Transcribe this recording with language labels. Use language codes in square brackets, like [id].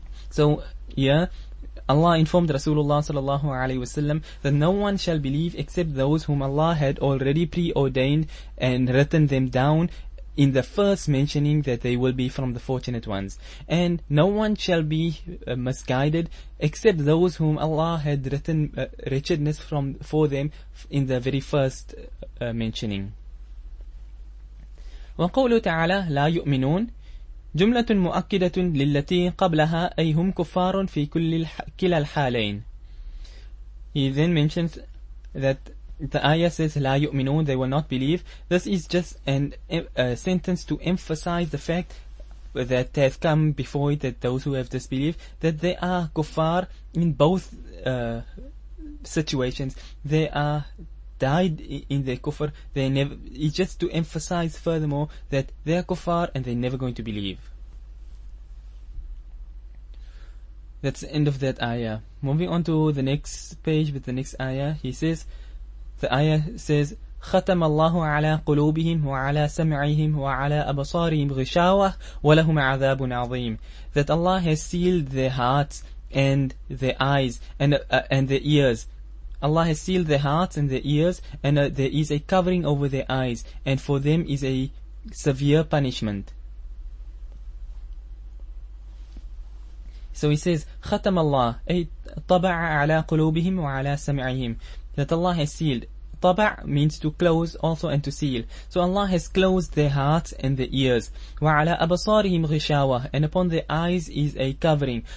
[en] So, yeah, Allah informed Rasulullah sallallahu alayhi wasallam that no one shall believe except those whom Allah had already preordained and written them down in the first mentioning that they will be from the fortunate ones. And no one shall be misguided except those whom Allah had written wretchedness from for them in the very first mentioning. [ar] وقوله تعالى لا يؤمنون جملة مؤكدة للتي قبلها أي هم كفار في كلا الحالين. [en] He then mentions that the ayah says [ar] لا يؤمنون, [en] they will not believe. This is just a sentence to emphasize the fact that has come before it, that those who have disbelief, that they are kuffar in both situations. They are died in their kuffar. They never. It's just to emphasize furthermore that they are kuffar and they're never going to believe. That's the end of that ayah. Moving on to the next page with the next ayah, he says, the ayah says, [ar] خَتَمَ اللَّهُ عَلَى قُلُوبِهِمْ وَعَلَى سَمْعِهِمْ وَعَلَى أَبَصَارِهِمْ غِشَاوَةٌ وَلَهُمْ عَذَابٌ عَظِيمٌ. [en] That Allah has sealed their hearts and their eyes and their ears. Allah has sealed their hearts and their ears, and there is a covering over their eyes, and for them is a severe punishment. So he says, [ar] خَتَمَ اللَّهُ أي طَبَعَ عَلَى قُلُوبِهِمْ وَعَلَى سَمْعِهِمْ. [en] That Allah has sealed. Taba' means to close also and to seal. So Allah has closed their hearts and their ears. [ar] وَعَلَىٰ أَبَصَارِهِمْ غِشَاوَةٌ. [en] And upon their eyes is a covering.